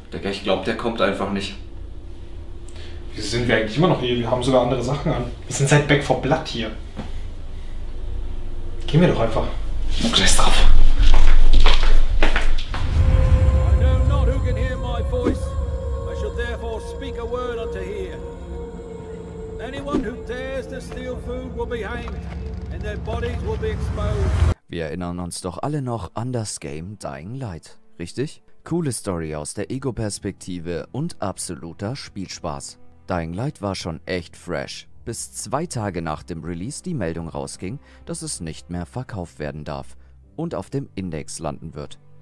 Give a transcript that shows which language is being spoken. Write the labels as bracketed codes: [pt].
[de] Ich glaube, der kommt einfach nicht. Wieso sind wir eigentlich immer noch hier? Wir haben sogar andere Sachen an. Wir sind seit Back for Blood hier. Gehen wir doch einfach. Ich muss gleich drauf. [en] I know not who can hear my voice. I should therefore speak a word unto here. Anyone who dares to steal food will be hanged and their bodies will be exposed. [de] Wir erinnern uns doch alle noch an das Game Dying Light, richtig? Coole Story aus der Ego-Perspektive und absoluter Spielspaß. Dying Light war schon echt fresh, bis zwei Tage nach dem Release die Meldung rausging, dass es nicht mehr verkauft werden darf und auf dem Index landen wird.